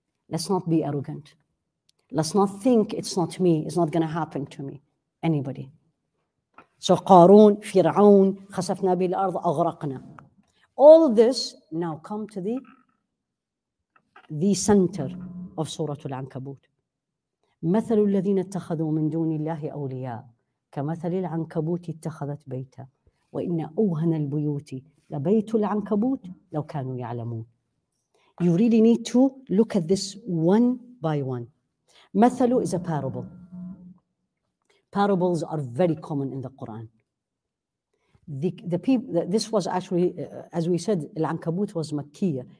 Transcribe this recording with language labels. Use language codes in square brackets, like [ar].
[en] Let's not be arrogant. Let's not think it's not me. It's not going to happen to me. Anybody. So Qarun, Fir'aun, [ar] خَسَفْنَا بِهِ الْأَرْضُ أَغْرَقْنَا [en] All this now come to the center. Of Surah Al-Ankabut. [ar] مَثَلُ الَّذِينَ اتَّخَذُوا مِن دُونِ اللَّهِ أَوْلِيَاءَ كَمَثَلِ الْعَنْكَبُوتِ اتَّخَذَتْ بَيْتًا وَإِنَّ أَوْهَنَ الْبُيُوتِ لَبَيْتُ الْعَنْكَبُوتِ لَوْ كَانُوا يَعْلَمُونَ [en] You really need to look at this one by one. مَثَلُ is a parable. Parables are very common in the Quran. This was actually, as we said, Al-Ankabut was Makkiya.